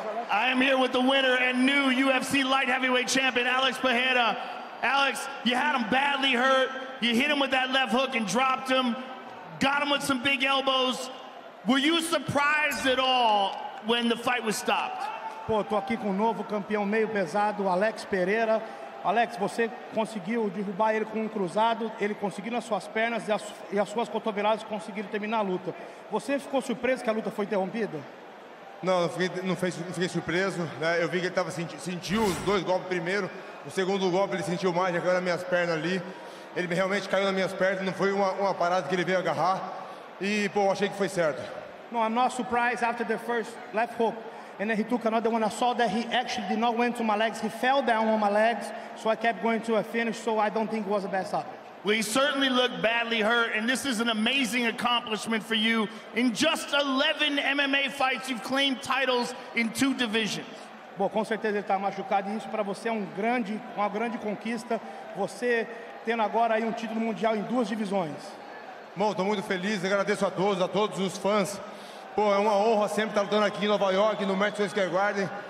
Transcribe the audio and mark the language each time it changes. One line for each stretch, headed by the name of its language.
English: I am here with the winner and new UFC light heavyweight champion, Alex Pereira. Alex, you had him badly hurt. You hit him with that left hook and dropped him. Got him with some big elbows. Were you surprised at all when the fight was stopped?
Portuguese: Pô, tô aqui com o novo campeão meio pesado, Alex Pereira. Alex, você conseguiu derrubar ele com um cruzado, ele conseguiu nas suas pernas e as suas cotoveladas conseguiram terminar a luta. Você ficou surpreso que a luta foi interrompida? Não, não fiquei surpreso. Né? Eu vi que ele sentiu os dois golpes primeiro. O segundo golpe ele sentiu mais, já caiu nas minhas pernas ali. Ele realmente caiu nas minhas pernas, não foi uma parada que ele veio agarrar. E, pô, achei que foi certo.
English: No, I'm not surprised after the first left hook. And then he took another one. I saw that he actually did not went to my legs. He fell down on my legs, so I kept going to a finish, so I don't think it was the best option. Well, he certainly looked badly hurt, and this is an amazing accomplishment for you. In just 11 MMA fights, you've claimed titles in 2 divisions.
Portuguese: Bom, com certeza ele tá machucado, e isso para você é uma grande conquista, você tendo agora aí título mundial em 2 divisões. Bom, tô muito feliz, agradeço a todos os fãs. Pô, é uma honra sempre estar lutando aqui em Nova York, no Madison Square Garden.